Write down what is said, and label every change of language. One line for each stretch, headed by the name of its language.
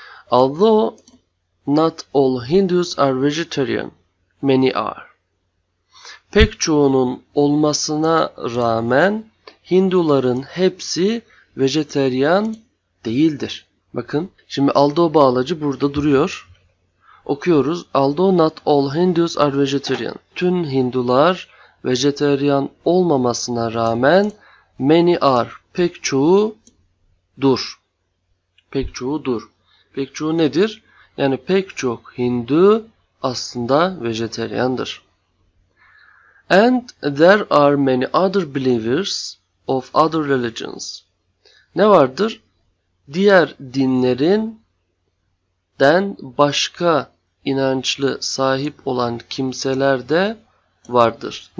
English: Although not all Hindus are vegetarian, many are.
Turkish: Pek çoğunun olmasına rağmen Hinduların hepsi vejeteryan değildir. Bakın, şimdi Aldo bağlacı burada duruyor. Okuyoruz.
English: Although not all Hindus are vegetarian.
Turkish: Tüm Hindular vejeteryan olmamasına rağmen
English: many are.
Turkish: Pek çoğu dur. Pek çoğu dur. Pek çoğu nedir? Yani pek çok Hindu aslında vejeteryandır.
English: And there are many other believers of other religions.
Turkish: Ne vardır? Diğer dinlerinden başka inançlı sahip olan kimseler de vardır.